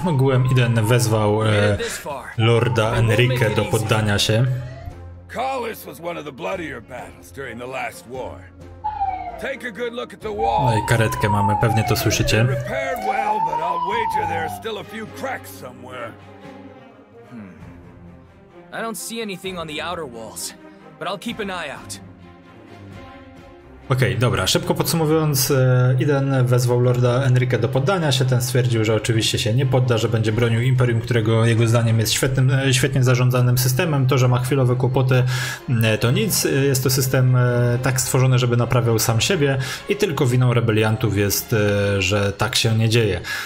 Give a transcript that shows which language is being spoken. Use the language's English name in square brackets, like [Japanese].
[Polish] Ogółem Iden wezwał Lorda Enrique do poddania się. [English] Kallus was one of the bloodier battles during the last war. Take a good look at the wall. [Polish] No i karetkę mamy, pewnie to słyszycie. [English] Repaired well, but I'll wager there are still a few cracks somewhere. I don't see anything on the outer walls, but I'll keep an eye out. [Polish] Okej, dobra, szybko podsumowując, Iden wezwał Lorda Enrique do poddania się, ten stwierdził, że oczywiście się nie podda, że będzie bronił Imperium, którego jego zdaniem jest świetnie zarządzanym systemem, to, że ma chwilowe kłopoty, to nic, jest to system tak stworzony, żeby naprawiał sam siebie i tylko winą rebeliantów jest, że tak się nie dzieje.